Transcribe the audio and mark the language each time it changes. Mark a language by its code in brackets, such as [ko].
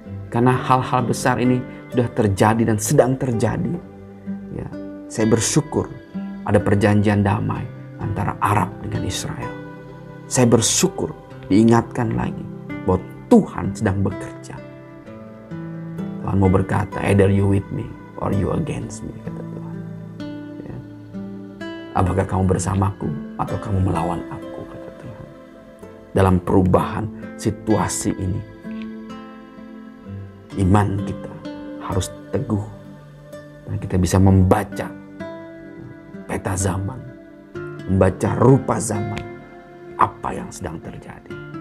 [id] Karena hal-hal besar ini sudah terjadi dan sedang terjadi. Ya, saya bersyukur ada perjanjian damai antara Arab dengan Israel. Saya bersyukur diingatkan lagi bahwa Tuhan sedang bekerja. Tuhan mau berkata, [en] either you with me or you against me, [id] kata Tuhan. Ya. Apakah kamu bersamaku atau kamu melawan aku, kata Tuhan. Dalam perubahan situasi ini, iman kita harus teguh. Dan kita bisa membaca peta zaman, membaca rupa zaman, apa yang sedang terjadi.